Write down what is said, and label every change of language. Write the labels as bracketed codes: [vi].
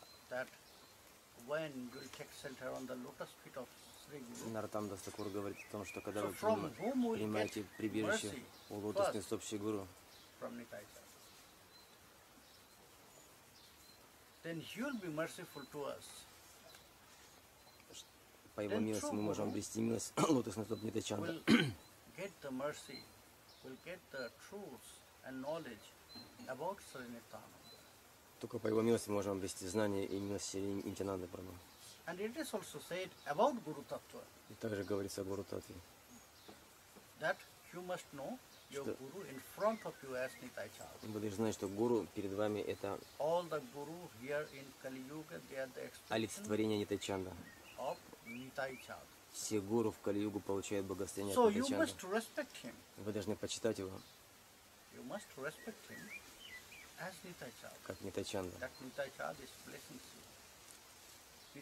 [en] that when you take shelter on the lotus feet of Sri Guru. [ru] Нартамда Стакур говорит о том, что когда вы принимаете прибежище у лотосных стоп Шри Гуру. [en] From Nitai. Then he will be merciful to us. [ru] По его милости мы можем обрести милость лотосных стоп Нитайчанда. [en] Get the mercy, will get the truth and knowledge about Sri Nityānanda. [ru] Только по его милости мы можем обрести знания и милости Нитянанды Прабху. [en] And it is also said about Guru Tattva. [ru] И также говорится о Гуру Таттве. [en] That you must know your [ru] что [en] Guru in front of you as Nitaichara. [ru] Вы должны знать, что Гуру перед вами это [en] all the Guru here in Kali Yuga, they are the expression [ru] олицетворение Нитайчанда. [en] Of Nitaichara. [ru] Все гуру в Кали-югу получают благословение [en] so [ru] от Нитайчанды. [en] You must respect him. [ru] Вы должны почитать его. [en] You must respect him. As Nitai-chad. [ru] Как Нитайчанда. [en] That Nitai-chad is blessing you.